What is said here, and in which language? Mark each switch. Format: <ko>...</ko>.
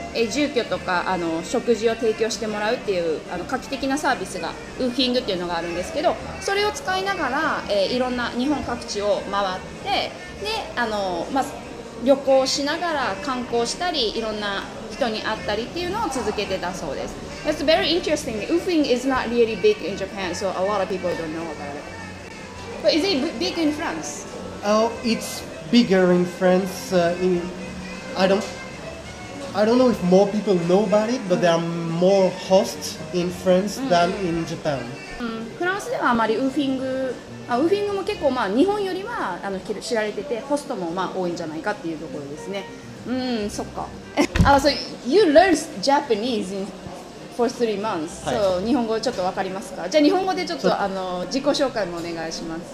<ja>住居とか食事を提供してもらうっていう画期的なサービスがウーフィングっていうのがあるんですけど、それを使いながら、いろんな日本各地を回って、で、まあ、旅行しながら観光したり、いろんな人に会ったりっていうのを続けてたそうです。</ja> <en>That's very interesting. Woofing is not really big in Japan, so a lot of people don't know about it. But is it big in France? Oh, it's bigger in France. I don't know if more people know about it, but there are more hosts in France than in Japan.</en> <ja>フランスではあまりウーフィングも結構、まあ、日本よりは知られてて、ホストも、まあ、多いんじゃないかっていうところですね。そっか。</ja> <en>So you learned Japanese in for 3 months.</en> <ja>So、はい、日本語ちょっとわかりますか。じゃあ日本語でちょっと自己紹介もお願いします。</ja>